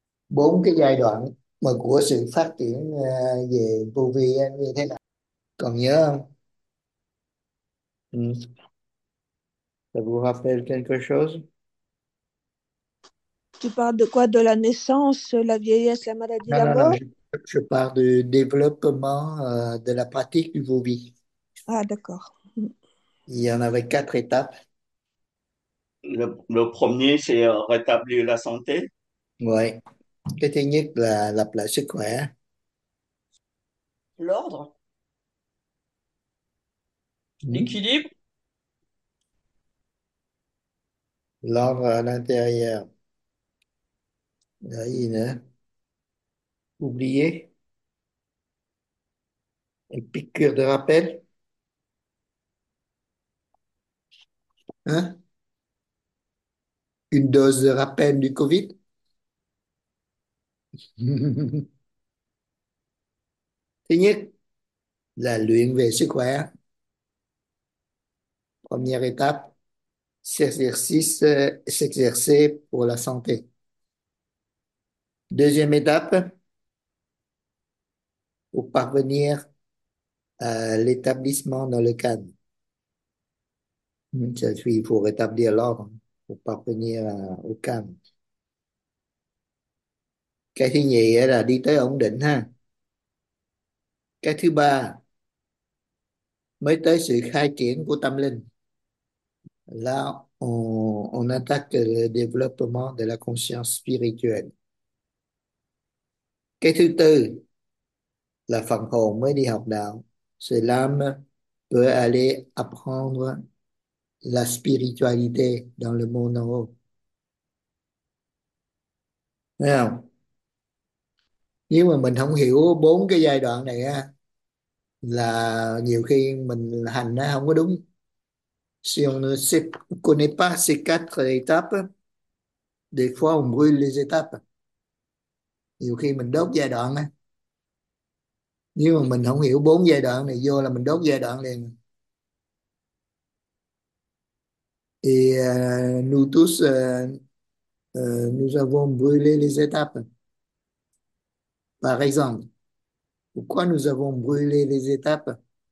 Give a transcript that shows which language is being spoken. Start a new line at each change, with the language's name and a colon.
Vietnamese: Bốn cái giai đoạn mà của sự phát triển về vô vi như thế nào. Còn nhớ không?
French: Ça vous rappelle quelque chose? Tu parles de quoi? De la naissance, la vieillesse, la maladie, Non, la non, non, mort? je parle du développement de la pratique du vô vi. Ah, d'accord. Il y en avait quatre étapes. Le premier, c'est rétablir la santé. Ouais.
Vietnamese: Cái thứ nhất là lập lại sức khỏe.
French: L'ordre. L'équilibre. L'ordre à l'intérieur. Il y a une... Oublié. Une piqûre de rappel. Hein? Une dose de rappel du Covid.
Vietnamese: Thứ nhất là luyện về sức khỏe.
French: Première étape, s'exercer pour la santé. Deuxième étape, pour parvenir à l'établissement dans le cadre. Je suis pour rétablir l'ordre, pour parvenir au calme.
Vietnamese: Cái thứ nhì là đi tới ổn định ha. Cái thứ ba mới tới sự khai triển của tâm linh.
French: Là on attaque le développement de la conscience spirituelle.
Vietnamese: Cái thứ tư là phần hồn mới đi học đạo.
French: C'est l'âme peut aller apprendre la spiritualité dans le monde en haut.
Vietnamese: Thấy không? Nếu mà mình không hiểu bốn cái giai đoạn này á, là nhiều khi mình hành nó không có đúng.
French: Si on ne sait, connaît pas ces quatre étapes, des fois on brûle les étapes.
Vietnamese: Nhiều khi mình đốt giai đoạn á. Nếu mà mình không hiểu bốn giai đoạn này vô là mình đốt giai đoạn liền.
French: Et nous tous, nous avons brûlé les étapes. Par exemple, pourquoi nous avons brûlé les étapes?